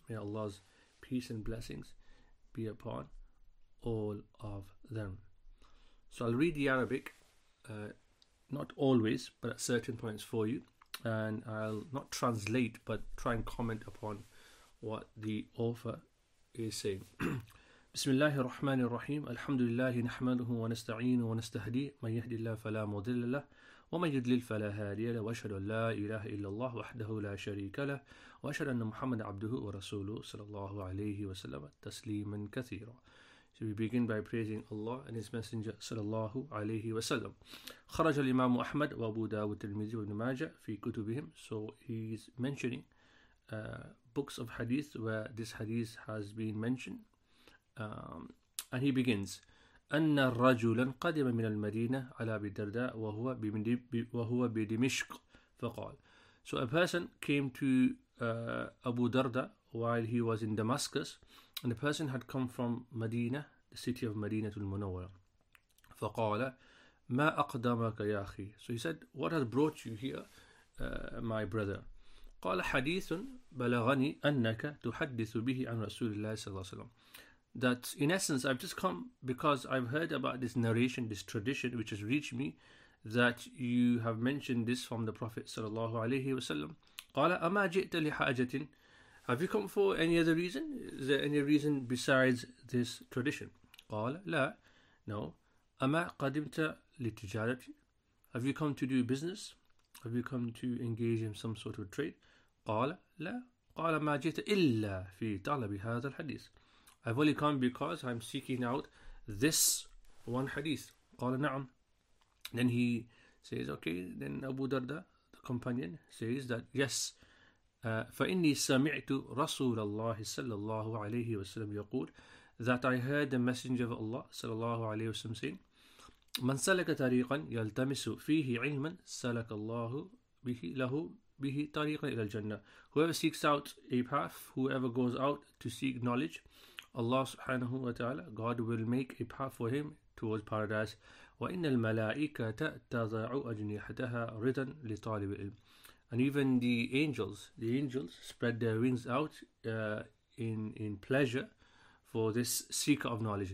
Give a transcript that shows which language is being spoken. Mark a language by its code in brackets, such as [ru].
[en] May Allah's peace and blessings be upon all of them. So I'll read the Arabic, not always, but at certain points for you, and I'll not translate but try and comment upon what the author is saying. [ar] بسم الله الرحمن الرحيم الحمد لله نحمده ونستعينه ونستهديه من يهدي الله فلا مضل له ومن يضلل فلا هادي له واشهد ان لا اله الا الله وحده لا شريك له واشهد ان محمد عبده ورسوله صلى الله عليه وسلم تسليما كثيرا. [en] So we begin by praising Allah and His Messenger [ar] صلى الله عليه وسلم. خرج الإمام أحمد وأبو داود والترمذي وابن ماجه في كتبهم. [en] So he's mentioning books of hadith where this hadith has been mentioned. And he begins, [ar] أن الرجل قدم من المدينة على أبي الدرداء وهو بدمشق فقال. [en] So a person came to Abu Darda while he was in Damascus, and the person had come from Medina, the city of Medina al-Munawwara. [ar] فقال ما أقدمك يا أخي. [en] So he said, what has brought you here, my brother? [ar] قال حديث بلغني أنك تحدث به عن رسول الله صلى الله عليه وسلم. [en] That in essence, I've just come because I've heard about this narration, this tradition, which has reached me, that you have mentioned this from the Prophet sallallahu alaihi wasallam. [ar] قَالَ أَمَا جِئْتَ لِحَاجَةٍ. [en] Have you come for any other reason? Is there any reason besides this tradition? [ar] قَالَ لَا. [en] No. [ar] أَمَا قَدِمْتَ لِتِجَارَةٍ. [en] Have you come to do business? Have you come to engage in some sort of trade? [ar] قَالَ لَا. قَالَ مَا جِئْتَ إِلَّا فِي طَلَبِ هَذَا الْحَدِيثِ. [en] I've only come because I'm seeking out this one hadith. [ar] قال نعم. [en] Then he says, okay, then Abu Darda, the companion, says that, yes. [ar] فَإِنِّي سَمِعْتُ رَسُولَ اللَّهِ صَلَّى اللَّهُ عَلَيْهِ وَسَلَّمْ يَقُولُ. [en] That I heard the messenger of Allah, [ar] صلى الله عليه وسلم, [en] saying, [ar] مَنْ سَلَكَ طَرِيقًا يَلْتَمِسُ فِيهِ عِلْمًا سَلَكَ اللَّهُ بِهِ لَهُ بِهِ طَرِيقًا إِلَى الْجَنَّةِ. [en] Whoever seeks out a path, whoever goes out to seek knowledge, Allah subhanahu wa ta'ala, God will make a path for him towards paradise. [ar] وَإِنَّ الْمَلَائِكَةَ تَضَعُ أَجْنِحَتَهَا رِضًا لِطَالِبِ الْعِلْمِ. [en] And even the angels spread their wings out in pleasure for this seeker of knowledge.